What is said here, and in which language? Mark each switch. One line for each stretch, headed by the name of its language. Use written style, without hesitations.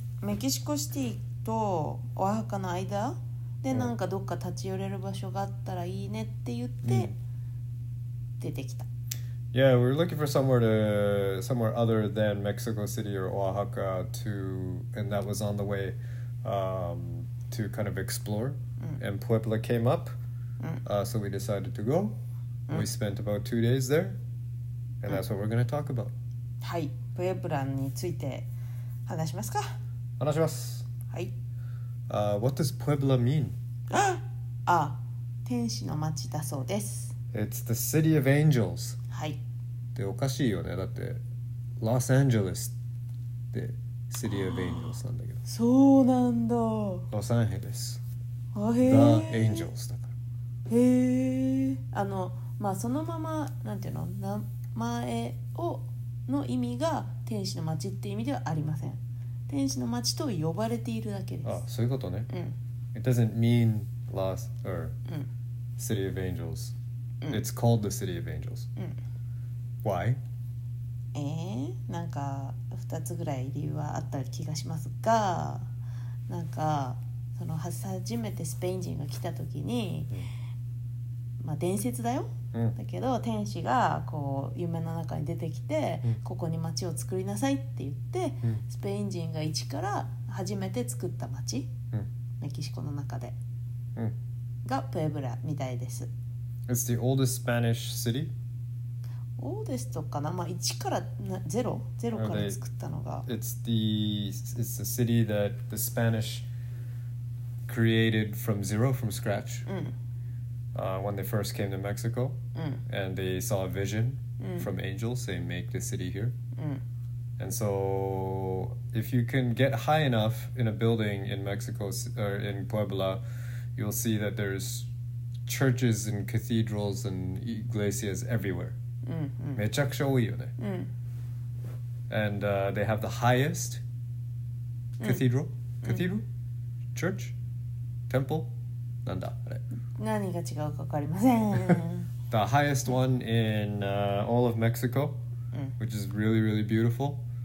Japanese: メキシコシティとオアハカの間でなんかどっか立ち寄れる場所があったらいいねって言って出てきた。
English: Yeah, we were looking for somewhere other than Mexico City or Oaxaca to, and that was on the way, to kind of explore. And Puebla came up, so we decided to go. We spent about 2 days there, and that's what we're going to talk about.
Japanese: はい、プエブラについて話しますか？話します。はい。
English: What does Puebla mean?
Japanese: あ、天使の町だそうです。
English: It's the city of angels.
Japanese: はい。で、おかしいよね。だって、Los Angeles って
English: city of angels
Japanese: なんだけど。そうなんだ。ロサンヘレス。あ、へえ。
English: The angels
Japanese: だから。へえ。あの、まあそのままなんていうの、名前をの意味が天使の町っていう意味ではありません。天使の町と呼ばれているだけです。あ、そういうことね。うん、
English: It doesn't mean lost or city of angels.、
Japanese: う
English: ん、It's called the city of angels.、
Japanese: うん、
English: Why?
Japanese: なんか2つぐらい理由はあった気がしますが、なんかその初めてスペイン人が来た時に、まあ伝説だよ。だけど天使がこう夢の中に出てきて、ここに町を作りなさいって言って、スペイン人が一から初めて作った町、メキシコの中で、がプエブラみたいです。
English: It's the oldest Spanish city?
Japanese: オーデストかな、まあ、一からゼロから作ったのが
English: it's the city that the Spanish created from zero, from scratch. When they first came to Mexico, and they saw a vision from angels saying, make the city here. And so, if you can get high enough in a building in Mexico, or in Puebla, you'll see that there's churches and cathedrals and iglesias everywhere.
Japanese: めちゃくちゃ多いよね。
English: And they have the highest cathedral? Cathedral? Church? Temple?
Japanese: なんだあれ、何が違うか分かりません。
English: The highest one in all of Mexico, which is really, really beautiful.